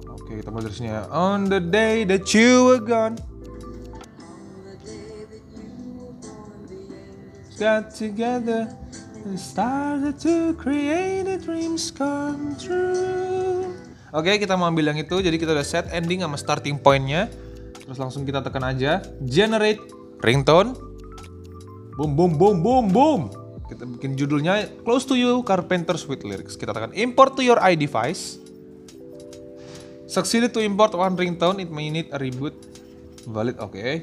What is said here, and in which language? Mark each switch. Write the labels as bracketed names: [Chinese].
[Indonesian] Oke, kita mulai dari sini ya. [English] On the day that you were gone, got together, and started to create the dreams come true. [Indonesian] Oke, kita mau ambil yang itu. Jadi kita udah set ending sama starting point-nya. Terus langsung kita tekan aja generate ringtone. Boom boom boom boom boom. Kita bikin judulnya Close to You Carpenters with lyrics. Kita tekan [English] import to your iDevice. Succeeded to import one ringtone, it may need a reboot. Valid, oke.